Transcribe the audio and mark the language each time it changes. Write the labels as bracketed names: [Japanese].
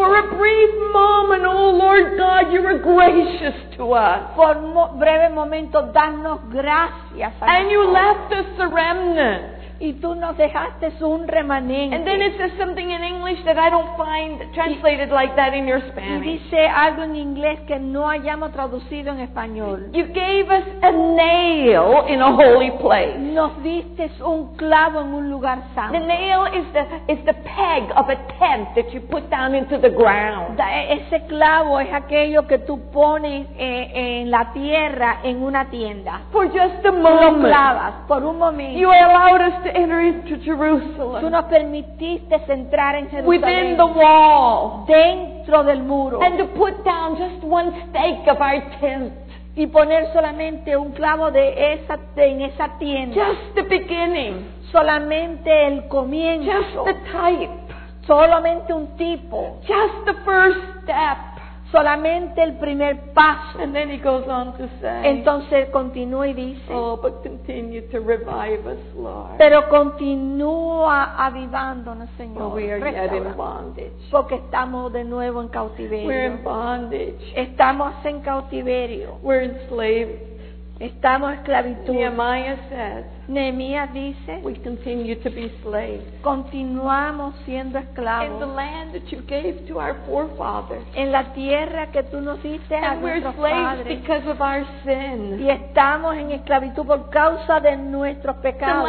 [English] For a brief moment, oh Lord God, you are gracious to us. [Spanish] Por un breve momento, danos gracias. [English] And you left us a remnant. [Spanish] Y tú nos dejaste un remanente. [English] And then it says something in English that I don't find translated like that in your Spanish. [Spanish] Y dice algo en inglés que no hayamos traducido en español. [English] You gave us a nail in a holy place. [Spanish] Nos diste un clavo en un lugar santo. [English] The nail is the peg of a tent that you put down into the ground. [Spanish] Ese clavo es aquello que tú pones en la tierra en una tienda. [English] For just a moment. [Spanish] Lo clavas por un momento. [English] You allowed us to enter into Jerusalem. [Spanish] Tú nos permitiste entrar en Jerusalén. [English] Within the wall. [Spanish] Dentro dentro del muro. [English] And to put down just one stake of our tent. [Spanish] Y poner solamente un clavo de esa, en esa tienda. [English] Just the beginning. [Spanish] Solamente el comienzo. [English] Just the type. [Spanish] Solamente un tipo. [English] Just the first step. [Spanish] Solamente el primer paso. [English] And then he goes on to say, [Spanish] entonces continúa y dice, [English] oh, but continue to revive us, Lord. [Spanish] Pero continúa avivándonos, Señor. [English] But we are yet in bondage. [Spanish] Porque estamos de nuevo en cautiverio. [English] We're in bondage. [Spanish] Estamos en cautiverio. [English] We're enslaved. [Spanish] Estamos en esclavitud. [English] Nehemiah says, [Spanish] Nehemiah dice, [English] we continue to be slaves. [Spanish] Continuamos siendo esclavos. [English] In the land that you gave to our forefathers. [Spanish] En la tierra que tú nos diste a nuestros padres. [English] And we're slaves because of our sin. [Spanish] Y estamos en esclavitud por causa de nuestros pecados.